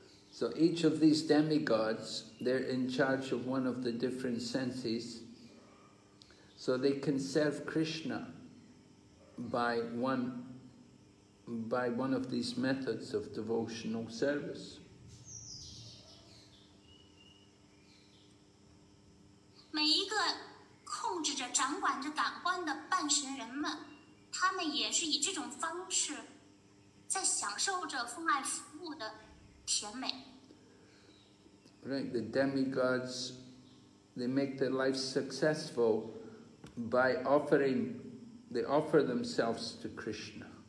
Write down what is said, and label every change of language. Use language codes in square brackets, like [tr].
[en] So each of these demigods, they're in charge of one of the different senses. So they can serve Krishna by one of these methods of devotional service. [zh] 每一个控制着掌管着感官的半神人们，他们也是以这种方式在享受着父爱服务的甜美。 [en] Right, the demigods, they make their life successful by offering, they offer themselves to Krishna.